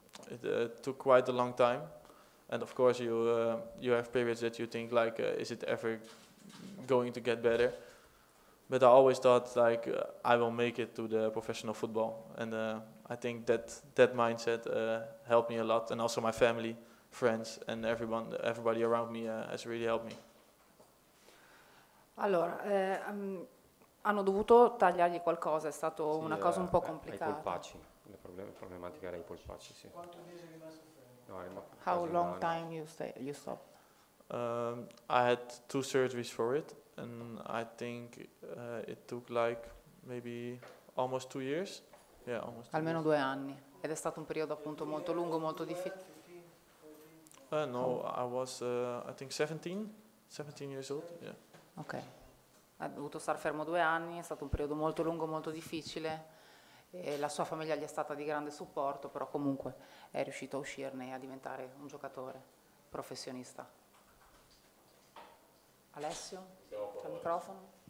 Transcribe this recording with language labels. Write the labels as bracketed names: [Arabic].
[English] It took quite a long time. And of course, you have periods that you think like, is it ever going to get better? But I always thought like, I will make it to the professional football. And I think that mindset helped me a lot. And also my family, friends, and everybody around me has really helped me. [Italian] Allora, hanno dovuto tagliargli qualcosa. È stato sì, una cosa un po' complicata. I polpacci. Il problema, problematica era i polpacci, sì. Quanto mese rimasto? [English] How long time you stopped? I had two surgeries for it, and I think it took like maybe almost 2 years. Yeah, almost. Two [Italian] Almeno [English] years. [Italian] Due anni. Ed è stato un periodo appunto molto lungo, molto difficile. [English] No, I was I think 17 years old. Yeah. Okay. [Italian] Ha dovuto star fermo due anni. È stato un periodo molto lungo, molto difficile. E la sua famiglia gli è stata di grande supporto, però comunque è riuscito a uscirne e a diventare un giocatore professionista. Alessio, c'è il microfono.